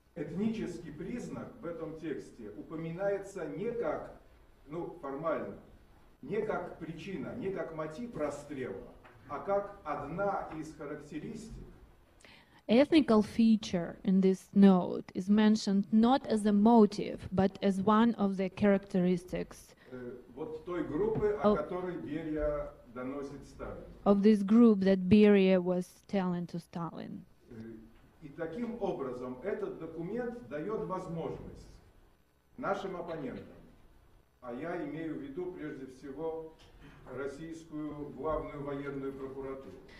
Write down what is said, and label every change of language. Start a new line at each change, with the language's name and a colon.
Russian: Этнический признак в этом тексте упоминается не как, ну, формально. Не как причина, не как мотив расстрела, а как одна из характеристик.
English: Ethnical feature in this note is mentioned not as a motive, but as one of the characteristics.
Russian: Вот той группы, о которой Берия доносит Сталину.
English: Of this group that Beria was telling to Stalin.
Russian: И таким образом этот документ дает возможность нашим оппонентам. А я имею в виду прежде всего российскую главную военную прокуратуру.